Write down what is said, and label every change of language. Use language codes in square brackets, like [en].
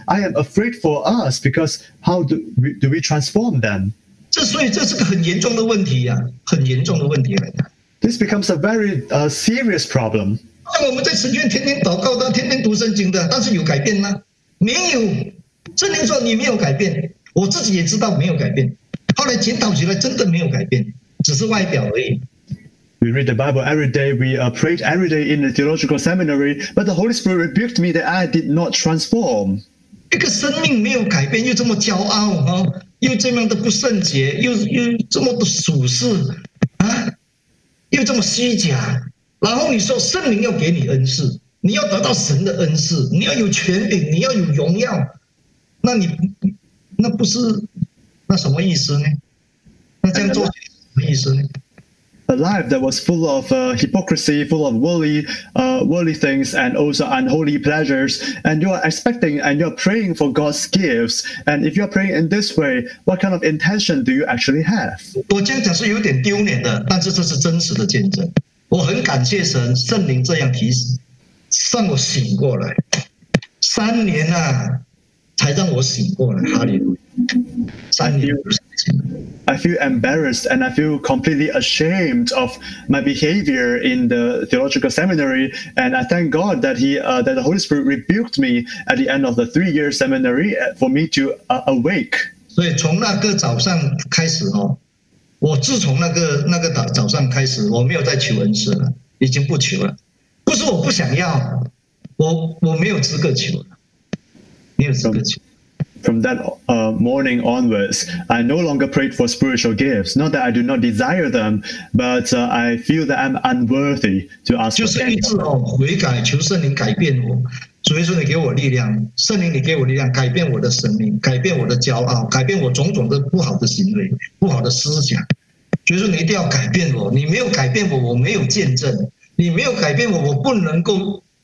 [en] I am afraid for us because how do we transform them? [zh] 这是个很严重的问题啊，很严重的问题啊。 [en] This becomes a very serious problem. [zh] 像我们在神学院天天祷告的，天天读圣经的，但是有改变吗？没有。圣灵说你没有改变，我自己也知道没有改变。后来检讨起来，真的没有改变，只是外表而已。 [en] We read the Bible every day. We prayed every day in the theological seminary, but the Holy Spirit rebuked me that I did not transform. [zh] 一个生命没有改变，又这么骄傲啊！又这样的不圣洁，又这么的俗世啊，又这么虚假。然后你说圣灵要给你恩赐，你要得到神的恩赐，你要有权柄，你要有荣耀，那你那不是那什么意思呢？那这样做什么意思呢？ [en] A life that was full of hypocrisy, full of worldly things, and also unholy pleasures. And you are expecting and you are praying for God's gifts. And if you are praying in this way, what kind of intention do you actually have? [zh] 我这样讲是有点丢脸的，但是这是真实的见证。我很感谢神，圣灵这样提示，让我醒过来。三年啊，才让我醒过来。哈利路亚。 [en] I feel embarrassed and I feel completely ashamed of my behavior in the theological seminary. And I thank God that that the Holy Spirit rebuked me at the end of the 3 year seminary for me to awake. [zh] 所以从那个早上开始哦，我自从那个早上开始，我没有再求恩赐了，已经不求了。不是我不想要，我没有资格求了，没有资格求。 [en] From that morning onwards, I no longer prayed for spiritual gifts. Not that I do not desire them, but I feel that I'm unworthy to ask for them. [zh] 就是一直哦，悔改，求圣灵改变我。主耶稣，你给我力量，圣灵，你给我力量，改变我的生命，改变我的骄傲，改变我种种的不好的行为、不好的思想。主耶稣，你一定要改变我。你没有改变我，我没有见证。你没有改变我，我不能够